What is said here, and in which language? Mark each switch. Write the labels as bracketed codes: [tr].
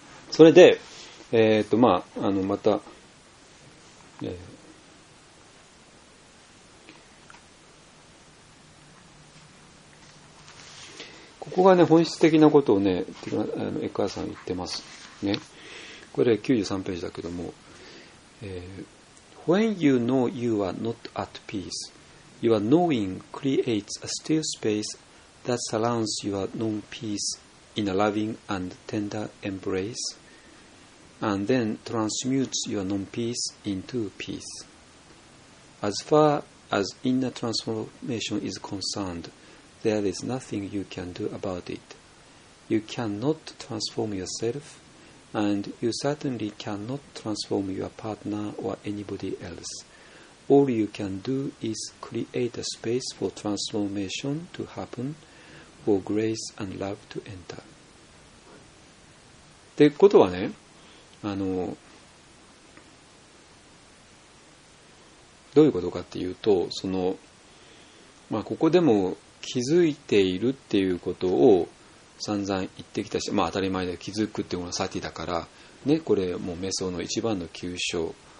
[ja] それで、まあ、また、ここがね、本質的なことをね、エッカーさん言ってます。ね、これ93ページだけども、 [en] When you know you are not at peace, your knowing creates a still space that surrounds your known peace in a loving and tender embrace, and then transmutes your known peace into peace. As far as inner transformation is concerned,There is nothing you can do about it. You cannot transform yourself, and you certainly cannot transform your partner or anybody else. All you can do is create a space for transformation to happen, for grace and love to enter. [ja] ってことはね、どういうことかっていうと、その、まあ、ここでも気づいているっていうことを散々言ってきたし、まあ当たり前で気づくっていうのはサティだからね、これもう瞑想の一番の急所